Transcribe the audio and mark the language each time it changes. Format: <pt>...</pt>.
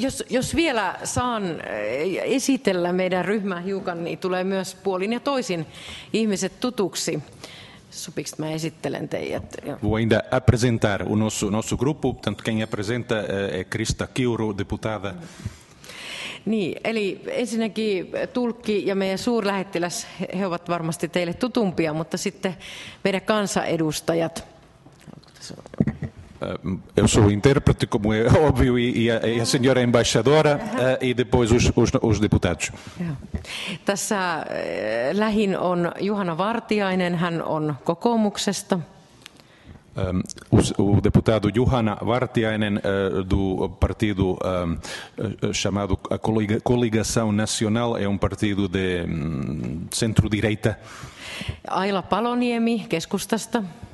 <fi>Jos vielä saan esitellä meidän ryhmää hiukan, niin tulee myös puolin ja toisin ihmiset tutuksi. Supiks, mä esittelen teidät.</fi> <pt>Vou ainda apresentar o nosso grupo, portanto quem apresenta é Krista Kiuru, deputada.</pt> <fi>Niin, eli ensinnäkin tulkki ja meidän suurlähettiläs, he ovat varmasti teille tutumpia, mutta sitten meidän kansanedustajat.</fi> <pt>Eu sou o intérprete, como é óbvio, e a senhora embaixadora, e depois os deputados.</pt> <fi>Tässä lähin on Juhana Vartiainen, hän on kokoomuksesta.</fi> <pt>O deputado Juhana Vartiainen, do partido chamado a Coligação Nacional, é partido de centro-direita.</pt> <fi>Aila Paloniemi, keskustasta.</fi>